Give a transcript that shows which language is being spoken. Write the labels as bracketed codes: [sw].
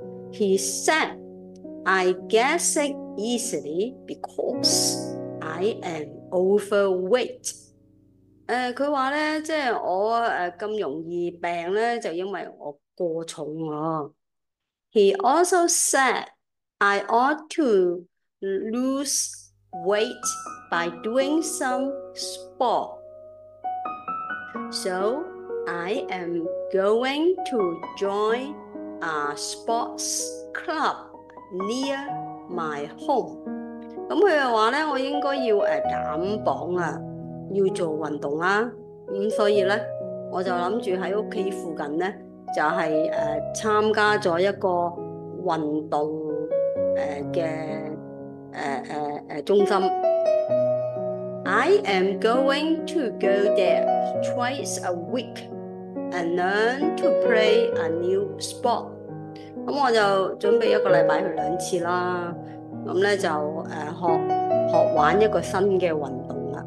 [en] He said I get sick easily because I am overweight。 [yue] 佢话咧，即系我咁容易病咧，就因为我过重咯。 [en] He also said I ought to lose weight by doing some sport. So I am going to join a sports club near my home. [yue] 咁佢又话咧，我应该要减磅啊。要做運動啦，所以咧，我就諗住喺屋企附近咧，就係參加咗一個運動嘅中心。 [en] I am going to go there twice a week and learn to play a new sport。 [yue] 咁我就準備一個禮拜去兩次啦，咁咧就學玩一個新嘅運動。